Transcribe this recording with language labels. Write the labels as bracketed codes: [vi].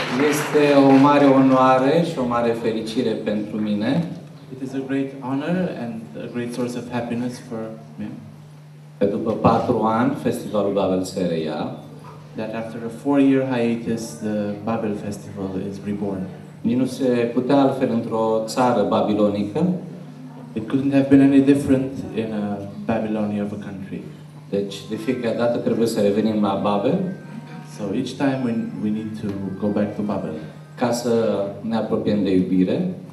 [ro] Este o mare onoare și o mare fericire pentru mine. [en] It is a great honor and a great source of happiness for me. [ro] Că după 4 ani, festivalul Babel se reia. [en] That after a 4-year hiatus, the Babel Festival is reborn. [ro] Nici nu se putea altfel într-o țară babilonică. [en] It couldn't have been any different in a Babylonia of a country. [ro] Deci, de fiecare dată trebuie să revenim la Babel. [en] So each time we need to go back to Babel. [ro] Ca să ne apropiem de iubire.